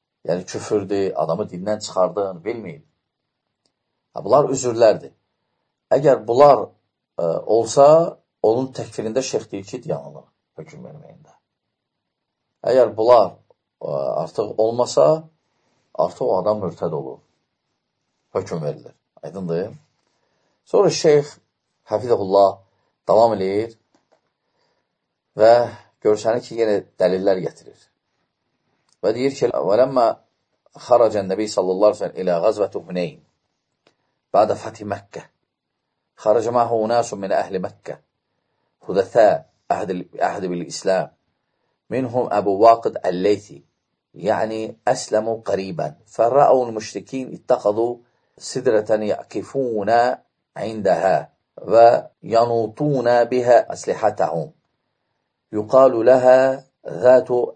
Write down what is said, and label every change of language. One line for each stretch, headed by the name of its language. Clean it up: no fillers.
Azerbaijani: Yəni, küfürdür, adamı dindən çıxardın, bilməyin. Bunlar üzürlərdir. Əgər bunlar olsa, onun təkfirində şeyh deyil ki, diyanılır hökum verməyində. Əgər bunlar artıq olmasa, artıq o adam mürtəd olur. Hökum verilir. Aydındır. Sonra şeyh Hafizullah davam edir. Və görsənir ki, yenə dəlillər gətirir. Və deyir ki,
Arabic: وَلَمَّا خَرَجَ النَّبِي صَلَّى اللَّهُ عَلَيْهِ وَسَلَّمَ إِلَى غَزْوَةِ حُنَيْنٍ بَعْدَ فَتْحِ مَكَّةَ خَرَجَ مَعَهُ أُنَاسٌ مِنْ أَهْلِ مَكَّةَ حُدَثَاءُ أَحَدٌ بِالْإِسْلَامِ مِنْهُمْ أَبُو وَاقِدٍ اللَّيْثِ يَعْنِي أَسْلَمُوا قَرِيبًا فَرَأَوْا الْمُشْرِكِينَ اتَّخَذُوا سِدْرَةً يَقِفُونَ عِنْدَهَا وَيَنُوطُونَ بِهَا أَسْلِحَتَهُمْ يقال لها ذات